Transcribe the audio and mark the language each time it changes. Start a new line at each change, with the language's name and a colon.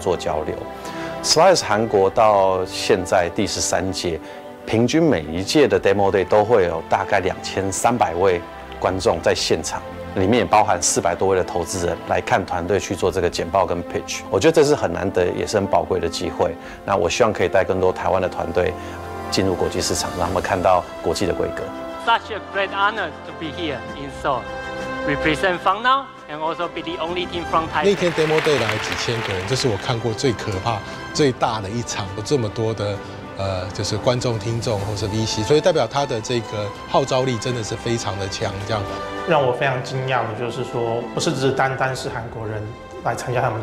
Chinese: 我始终觉得创业家应该要不断的去找寻刺激，然后要去跟国际的创业家做交流。SparkLabs 韩国到现在第13届，平均每一届的 Demo Day 都会有大概2300位观众在现场，里面也包含400多位的投资人来看团队去做这个简报跟 pitch。我觉得这是很难得，也是很宝贵的机会。那我希望可以带更多台湾的团队进入国际市场，让他们看到国际的规格。
English: Such a great honor to be here in Seoul. Represent Fangnao and also be the only team from Taiwan.
Chinese: 那天 Demo Day 来几千个人，这是我看过最可怕、最大的一场，有这么多的就是观众、听众或是 VC， 所以代表他的这个号召力真的是非常的强。这样，让我非常惊讶的就是说，不是只单单是韩国人来参加他们